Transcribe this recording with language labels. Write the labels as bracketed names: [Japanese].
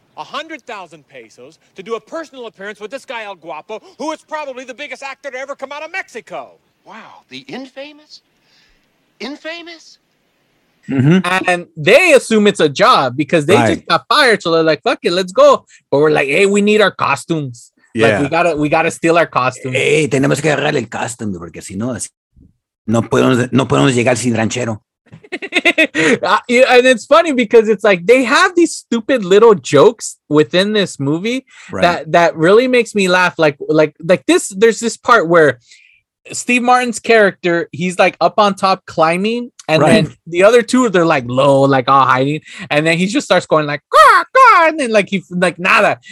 [English] 100,000 pesos to do a personal appearance with this guy, El Guapo, who is probably the biggest actor to ever come out of Mexico. Wow, the infamous? Infamous? Mm-hmm. And they assume it's a job because they right. just got fired. So they're like, fuck it, let's go. But we're like, hey, we need our costumes. Yeah. Like, we gotta steal our costumes. [Spanish] Hey, tenemos que agarrar el costume porque si no, no podemos llegar sin ranchero. [English] And it's funny because it's like they have these stupid little jokes within this movie right. that really makes me laugh. Like this, there's this part where Steve Martin's character, he's like up on top climbing. And right. then the other two, they're like low, like all hiding. And then he just starts going like, gah, gah, and then like, he's like, nada.